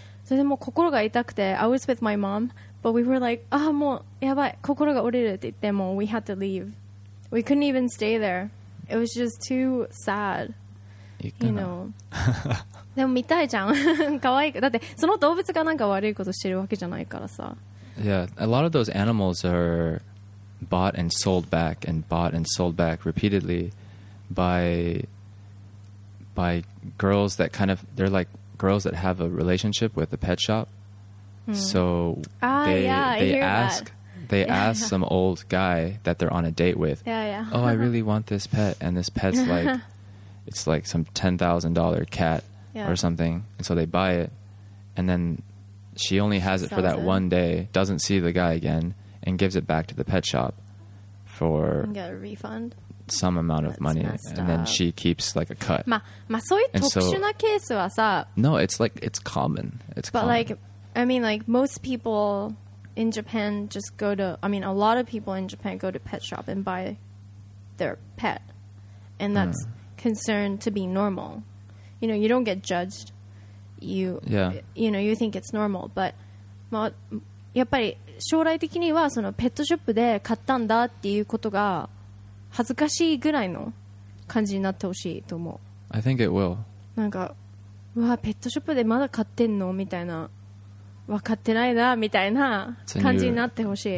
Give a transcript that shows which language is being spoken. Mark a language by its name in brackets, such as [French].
[Japanese] それでもう心が痛くて、 [English] I was with my mom, but we were like, [Japanese] あ、もうやばい、心が折れるって言って、もう [English] we had to leave. We couldn't even stay there. It was just too sad. You know. [Japanese] でも見たいじゃん。かわいく。だってその動物がなんか悪いことしてるわけじゃないからさ。 [English] Yeah, a lot of those animals are... bought and sold back and bought and sold back repeatedly by girls that kind of, they're like girls that have a relationship with a pet shop. So they ask some old guy that they're on a date with. Yeah, yeah. Oh, I really want this pet. And this pet's like, it's like some $10,000 cat or something. And so they buy it. And then she only has it for that one day, doesn't see the guy again, and gives it back to the pet shop. For get a refund some amount of money, and then she keeps like a cut. [Japanese] まあそういう特殊なケースはさ、 [English] no, it's like it's common. It's but like I mean, like most people in Japan just go to. I mean, a lot of people in Japan go to pet shop and buy their pet, and that's concerned to be normal. You know, you don't get judged. You know, you think it's normal, but [Japanese] まあやっぱり。将来的にはそのペットショップで買ったんだっていうことが恥ずかしいぐらいの感じになってほしいと思う。 [English] I think it will. [Japanese] なんか、うわ、ペットショップでまだ買ってんのみたいな、分かってないなみたいな感じになってほしい。